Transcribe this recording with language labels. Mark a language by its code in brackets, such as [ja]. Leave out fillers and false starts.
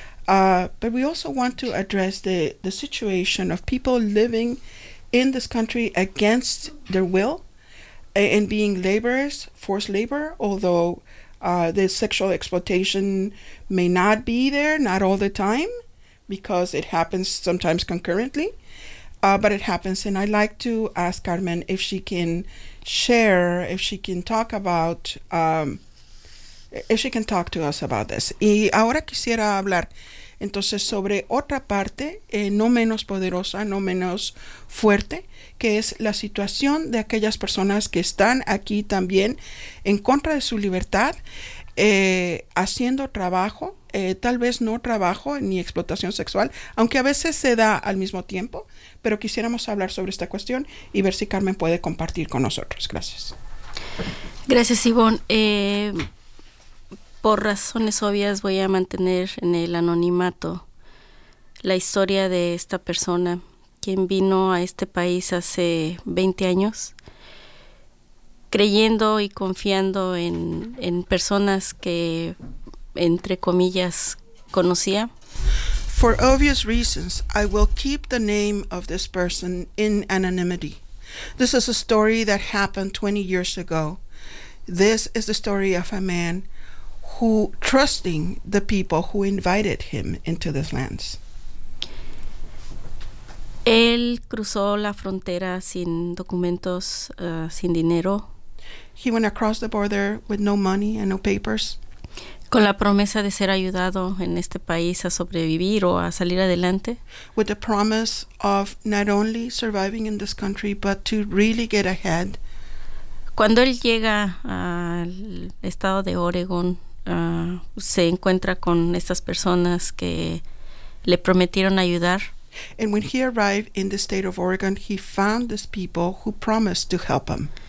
[en] But we also want to address the situation of people living in this country against their will and being laborers, forced labor, although the sexual exploitation may not be there, not all the time, because it happens sometimes concurrently, but it happens. And I'd like to ask Carmen if she can share, if she can talk about, if she can talk to us about this. [es] Y ahora quisiera hablar entonces sobre otra parte, no menos poderosa, no menos fuerte, que es la situación de aquellas personas que están aquí también en contra de su libertad, haciendo trabajo, tal vez no trabajo ni explotación sexual, aunque a veces se da al mismo tiempo, pero quisiéramos hablar sobre esta cuestión y ver si Carmen puede compartir con nosotros. Gracias. Gracias, Ivonne. Por razones obvias voy a mantener en el anonimato la historia de esta persona, quien vino a este país hace 20 años, creyendo y confiando en personas que, entre comillas, conocía. [en] For obvious reasons, I will keep the name of this person in anonymity. This is a story that happened 20 years ago. This is the story of a man who, trusting the people who invited him into this lands. [es] Él cruzó la frontera sin documentos, sin dinero. [en] He went across the border with no money and no papers. [es] Con la promesa de ser ayudado en este país a sobrevivir o a salir adelante. [en] With the promise of not only surviving in this country, but to really get ahead. [es] cuando él llega al estado de Oregón, se encuentra con estas personas que le prometieron ayudar. [en] And when he arrived in the state of Oregon, he found these people who promised to help him.